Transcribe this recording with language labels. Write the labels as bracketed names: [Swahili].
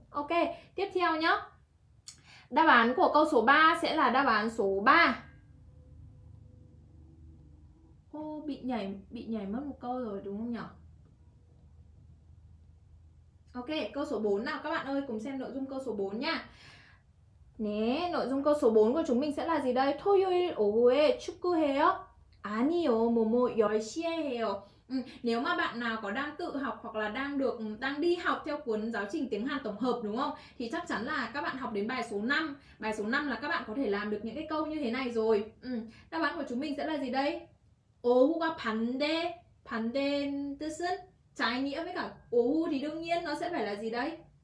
[Vietnamese] Ok, tiếp theo nhé. Đáp án của câu số 3 sẽ là đáp án số 3. Bị nhảy mất một câu rồi, đúng không nhỉ? Ok, câu số 4 nào các bạn ơi, cùng xem nội dung câu số 4 nha. Né, nội dung câu số 4 của chúng mình sẽ là gì đây? [Korean] 토요일 오후에 축구해요? 아니요, 모모 10시에 해요. [Vietnamese] Nếu mà bạn nào có đang tự học hoặc là đang đi học theo cuốn giáo trình tiếng Hàn tổng hợp đúng không? Thì chắc chắn là các bạn học đến bài số 5. Bài số 5 là các bạn có thể làm được những cái câu như thế này rồi. Đáp án của chúng mình sẽ là gì đây? [Korean] 오후가 반대, 반대 뜻은 [Vietnamese] trái nghĩa với cả 오후 thì đương nhiên nó sẽ phải là gì đây?